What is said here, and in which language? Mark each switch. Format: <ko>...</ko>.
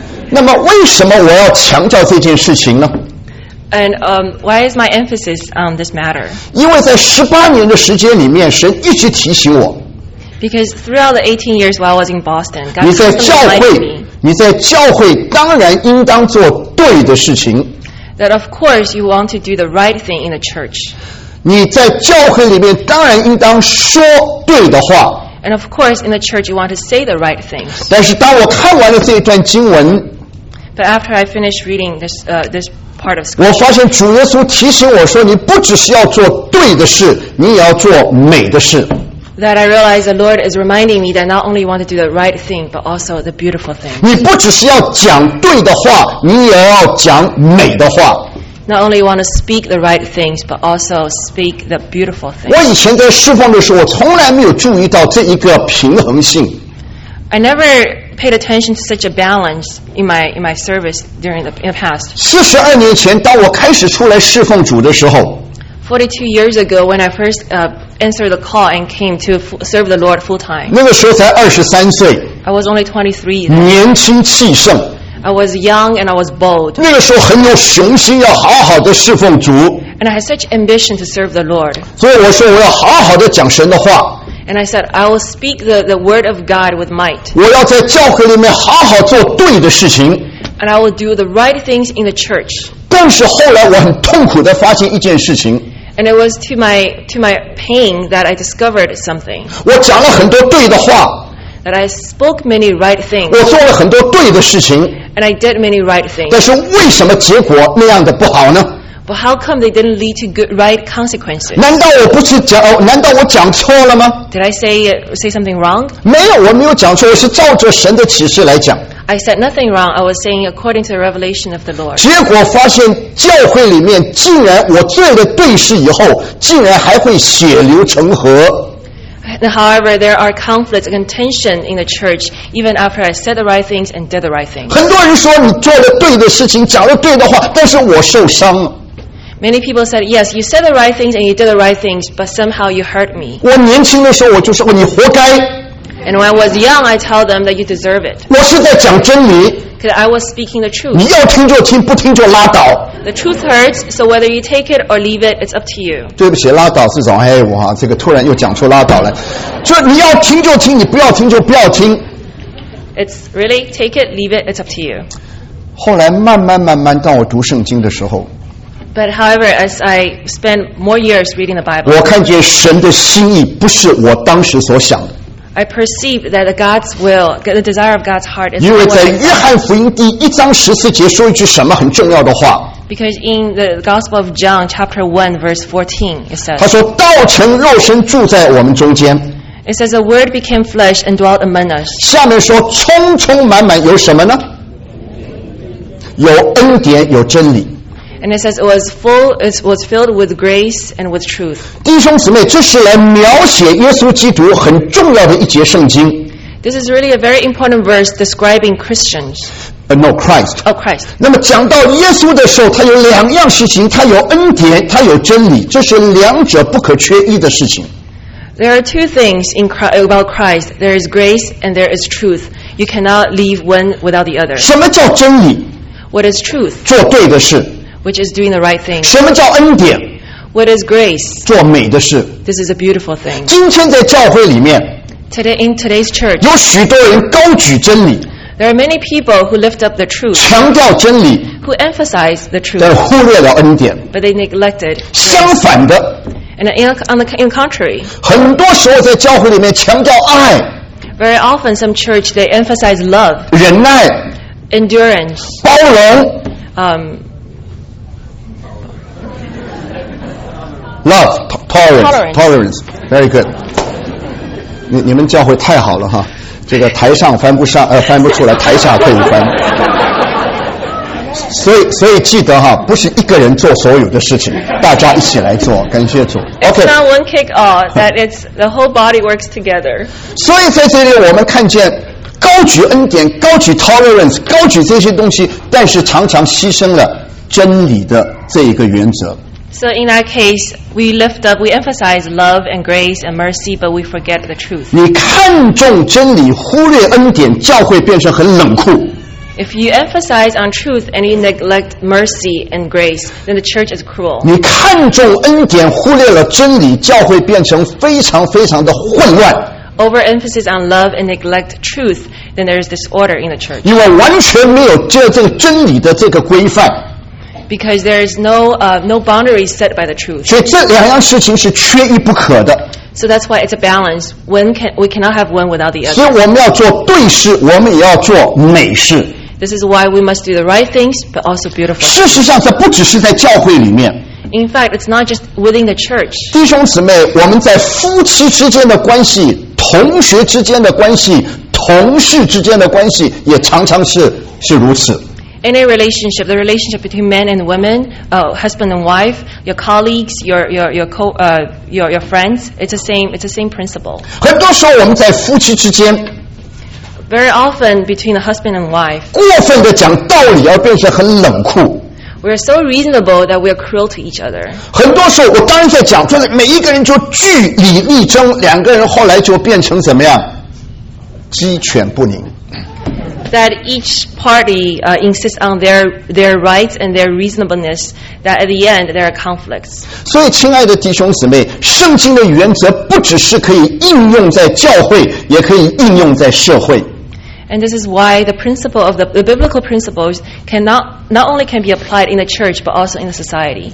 <zh>那么为什么我要强调这件事情呢？</zh> <en>And why is my emphasis on this matter?</en> <zh>因为在18年的时间里面神一直提醒我。</zh> <en>Because throughout the 18 years while I was in Boston, God</en> <zh>你在教会当然应当做对的事情。</zh> <en>That of course you want to do the right thing in the church.</en> <zh>你在教会里面当然应当说对的话。</zh> <en>And of course in the church you want to say the right things.</en> <zh>但是当我看完了这一段经文。</zh> <en>But after I finished reading this, this part of</en> <zh>scripture, 我发现主耶稣提醒我说你不只是要做对的事你也要做美的事</zh> <en>that I realize the Lord is reminding me that not only want to do the right thing but also the beautiful thing</en> <zh>你不只是要讲对的话你也要讲美的话</zh> <en>not only want to speak the right things but also speak the beautiful things</en> <zh>我以前在侍奉的时候我从来没有注意到这一个平衡性</zh> <en>I neverpaid attention to such a balance in my service during the, in the past.</en> <zh>42年前当我开始出来侍奉主的时候</zh> <en>42 years ago when I first answered the call and came to serve the Lord full time.</en> <zh>那个时候才23岁</zh> <en>I was only 23 then.</en> <zh>年轻气盛</zh> <en>I was young and I was bold.</en> <zh>那个时候很有雄心要好好的侍奉主</zh> <en>And I had such ambition to serve the Lord.</en> <zh>所以我说我要好好的讲神的话</zh> <en>And I said, I will speak the word of God with might.</en> <zh>我要在教会里面好好做对的事情。</zh> <en>And I will do the right things in the church.</en> <zh>但是后来我很痛苦地发现一件事情。</zh> <en>And it was to my pain that I discovered something.</en> <zh>我讲了很多对的话。</zh> <en>That I spoke many right things.</en> <zh>我做了很多对的事情。</zh> <en>And I did many right things.</en> <zh>但是为什么结果那样的不好呢？</zh> <en>But how come they didn't lead to good, right consequences?</en> <zh>难道我不是讲？难道我讲错了吗</zh> <en>？Did I say something wrong?</en> <zh>没有，我没有讲错，我是照着神的启示来讲。</zh> <en>I said nothing wrong. I was saying according to the revelation of the Lord.</en> <zh>结果发现教会里面竟然我做了对事以后，竟然还会血流成河。</zh> <en>However, there are conflicts and tension in the church even after I said the right things and did the right things.</en> <zh>很多人说你做了对的事情，讲了对的话，但是我受伤了。</zh> <en>Many people said, yes, you said the right things and you did the right things, but somehow you hurt me.</en> <zh>我年轻的时候我就说你活该。</zh> <en>And when I was young, I told them that you deserve it.</en> <zh>我是在讲真理。</zh> <en>Because I was speaking the truth.</en> <zh>你要听就听，不听就拉倒。</zh> <en>The truth hurts, so whether you take it or leave it, it's up to you.</en> <zh>对不起，拉倒是种，哎，我这个突然又讲出拉倒来。就你要听就听，你不要听就不要听。</zh> <en>It's really, take it, leave it, it's up to you.</en> <zh>后来慢慢慢慢当我读圣经的时候</zh> <en>But however, as I spend more years reading the Bible,</en> <zh>我看见神的心意不是我当时所想的。</zh> <en>I perceive that God's will, the desire of God's heart is.</en> <zh>因为在约翰福音第一章十四节说一句什么很重要的话。</zh> <en>Because in the Gospel of John, chapter 1, verse 14, it says.</en> <zh>他说：“道成肉身住在我们中间。”</zh> <en>It says the Word became flesh and dwelt among us.</en> <zh>下面说：“充充满满有什么呢？有恩典，有真理。”</zh> <en>And it says it was full, it was filled with grace and with truth.</en> <zh>弟兄姊妹，这是来描写耶稣基督很重要的一节圣经。</zh> <en>This is really a very important verse describing Christians. No, Christ. Oh, Christ.</en> <zh>那么讲到耶稣的时候，他有两样事情，他有恩典，他有真理，这是两者不可缺一的事情。</zh> <en>There are two things in Christ, about Christ. There is grace and there is truth. You cannot leave one without the other.</en> <zh>什么叫真理</zh> <en>？What is truth?</en> <zh>做对的事。</zh> <en>Which is doing the right thing.</en> <zh>什么叫恩典</zh> <en>？What is grace?</en> <zh>做美的事。</zh> <en>This is a beautiful thing.</en> <zh>今天在教会里面</zh> <en>，Today in today's church,</en> <zh>有许多人高举真理。</zh> <en>There are many people who lift up the truth.</en> <zh>强调真理。</zh> <en>Who emphasize the truth.</en> <zh>但忽略了恩典。</zh> <en>But they neglected.</en> <zh>相反的。</zh> <en>And on the contrary,</en> <zh>很多时候在教会里面强调爱。</zh> <en>Very often, some church they emphasize love.</en> <zh>忍耐。</zh> <en>Endurance.</en> <zh>包容。</zh> <en>Love, tolerance, very good.</en> <zh>你们教会太好了哈，这个台上翻不上，翻不出来，台下可以翻。所以记得哈，不是一个人做所有的事情，大家一起来做，感谢主。</zh> <en>Okay. It's not one kick all, that it's the whole body works together.</en> <zh>所以在这里我们看见高举恩典，高举 tolerance, 高举这些东西，但是常常牺牲了真理的这一个原则。</zh> <en>So in that case, we lift up, we emphasize love and grace and mercy, but we forget the truth.</en> <zh>你看重真理，忽略恩典，教会变成很冷酷。</zh> <en>If you emphasize on truth and you neglect mercy and grace, then the church is cruel.</en> <zh>你看重恩典，忽略了真理，教会变成非常非常的混乱。</zh> <en>Overemphasis on love and neglect truth, then there is disorder in the church.</en> <zh>因为完全没有这个真理的这个规范。</zh> <en>Because there is no boundary set by the truth.</en> <zh>所以这两样事情是缺一不可的。</zh> <en>So that's why it's a balance. We cannot have one without the other.</en> <zh>所以我们要做对事，我们也要做美事。</zh> <en>This is why we must do the right things, but also beautiful.</en> <zh>事实上，这不只是在教会里面。</zh> <en>In fact, it's not just within the church.</en> <zh>弟兄姊妹，我们在夫妻之间的关系、同学之间的关系、同事之间的关系，也常常是如此。</zh> <en>Any relationship, the relationship between men and women, husband and wife, your colleagues, your friends, it's the same principle.</en> <zh>很多时候我们在夫妻之间</zh> <en>very often between a husband and wife,</en> <zh>过分的讲道理而变成很冷酷</zh> <en>we are so reasonable that we are cruel to each other.</en> <zh>很多时候我刚才在讲，就是每一个人就据理力争，两个人后来就变成怎么样？鸡犬不宁。</zh> <en>That each party insists on their rights and their reasonableness, that at the end there are conflicts.</en> <zh>所以，亲爱的弟兄姊妹，圣经的原则不只是可以应用在教会，也可以应用在社会。</zh> <en>And this is why the principle of the biblical principles not only can be applied in the church but also in the society.</en>